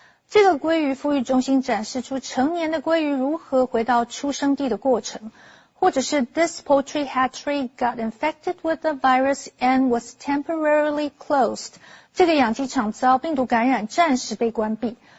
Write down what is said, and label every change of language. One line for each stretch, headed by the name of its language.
Chinese: 这个鲑鱼孵育中心展示出成年的鲑鱼如何回到出生地的过程。或者是
English: ，This poultry hatchery got infected with the virus and was temporarily closed。
Chinese: 这个养鸡场遭病毒感染，暂时被关闭。